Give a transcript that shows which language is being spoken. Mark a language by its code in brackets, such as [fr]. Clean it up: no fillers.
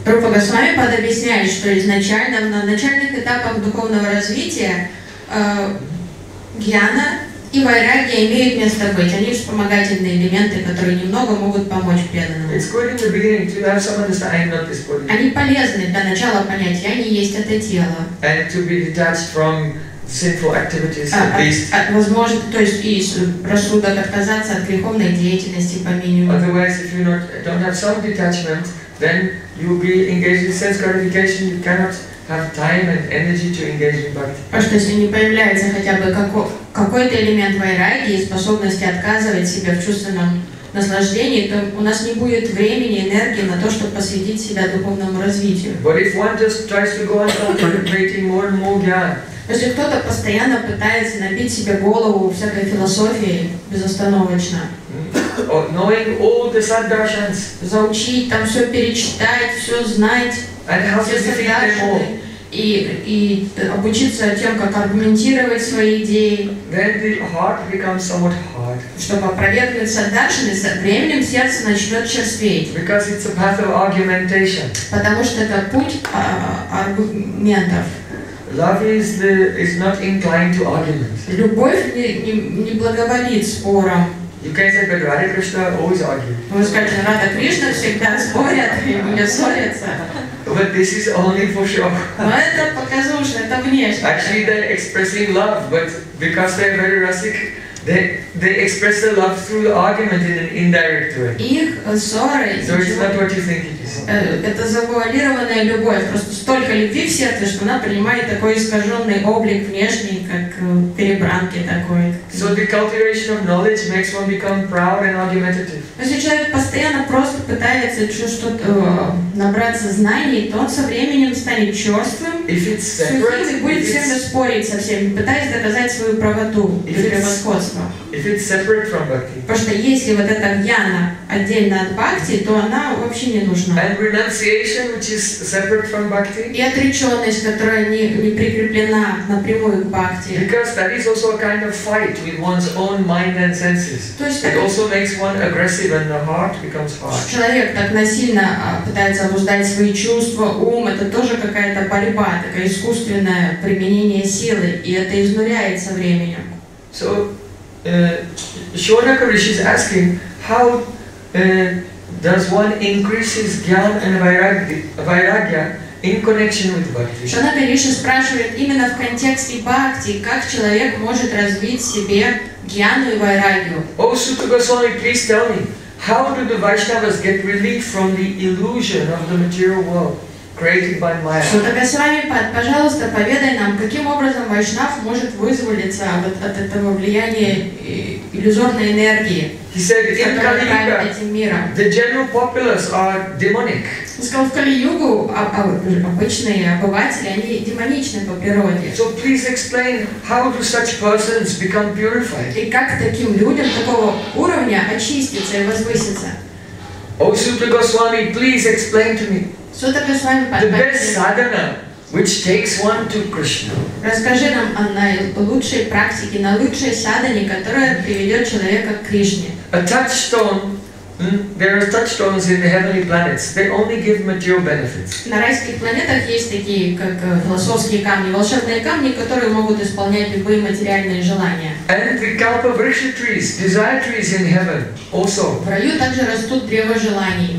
[ru] Рупа Госвами Пад объясняет, что изначально на начальных этапах духовного развития гьяна и вайрагья имеют место быть. Они лишь вспомогательные элементы, которые немного могут помочь преданным. [en] It's good in the beginning to have some understanding of this body. [ru] Они полезны для начала понять, я не есть это тело. [en] And to be detached from sinful activities at least. [ru] Возможно, то есть из рассудок отказаться от греховной деятельности по минимуму. [en] Otherwise, if you don't have some detachment, then you will be engaged in sense gratification. You cannot have time and energy to engage in bhakti. [ru] А что, если не появляется хотя бы какой-то элемент вайраги и способности отказывать себя в чувственном наслаждении, то у нас не будет времени, энергии на то, чтобы посвятить себя духовному развитию. [en] But if one just tries to go on contemplating more and more jnana. [ru] Если кто-то постоянно пытается набить себе голову всякой философией безостановочно, [en] or knowing all the саддаршанс, [ru] заучить, там все перечитать, все знать, все саддаршаны, и обучиться тем, как аргументировать свои идеи, [en] then the heart becomes somewhat hard. [ru] Чтобы опровергнуть саддаршаны, со временем сердце начнет черстветь. [en] Because it's a path of argumentation. [ru] Потому что это путь аргументов. [en] Love is not inclined to argument. [ru] Любовь не благоволит спорам. [en] You can say, but Radha Krishna always argue. [ru] Вы скажете, Радха Кришна всегда спорят и не ссорятся. [en] but this is only for show. Actually, they're expressing love, but because they're very rustic, they express the love through the argument in an indirect way. So it's not what you think it is. [ru] Это завуалированная любовь, просто столько любви в сердце, что она принимает такой искаженный облик внешний, как перебранки такой. [en] So the cultivation of knowledge makes one become proud and argumentative. [ru] Если человек постоянно просто пытается что-то набраться знаний, то он со временем станет черствым, сухим, будет все время спорить со всеми, пытаясь доказать свою правоту и превосходство. [en] If it's separate from bhakti. [ru] Потому что если вот эта гьяна отдельно от бхакти, то она вообще не нужна. [en] And renunciation, which is separate from bhakti. [ru] И отреченность, которая не прикреплена напрямую к бхакти. [en] Because that is also a kind of fight with one's own mind and senses. [ru] То есть, [en] it also makes one aggressive and the heart becomes hard. [ru] Человек так насильно пытается обуздать свои чувства, ум, это тоже какая-то борьба, такое искусственное применение силы, и это изнуряет со временем. [en] So, Shonaka Rishi is asking how does one increase his gyan and vairagya in connection with bhakti? [ru] Shonaka Rishi спрашивает именно в контексте бхакти, как человек может развить себе гьяну и вайрагью. [en] Oh, Sutta Goswami, please tell me, how do the Vaishnavas get relief from the illusion of the material world? [ru] Сута Госвами, пожалуйста, поведай нам, каким образом вайшнав может вызволиться от этого влияния иллюзорной энергии, которая этим миром. В Кали-югу обычные обыватели, они демоничны по природе. [en] So please explain how do such persons become purified? [ru] И как таким людям такого уровня очиститься и возвыситься? О, Сута Госвами, [en] please explain to me. The best sadhana, which takes one to Krishna. [ru] Расскажи нам о наилучшей практике, на лучшей садхане, которая приведет человека к Кришне. [en] A touchstone, there are touchstones in the heavenly planets. They only give material benefits. [ru] На райских планетах есть такие, как философские камни, волшебные камни, которые могут исполнять любые материальные желания. [en] And the kalpa vriksha trees, desire trees in heaven, also. [ru] В раю также растут древа желаний.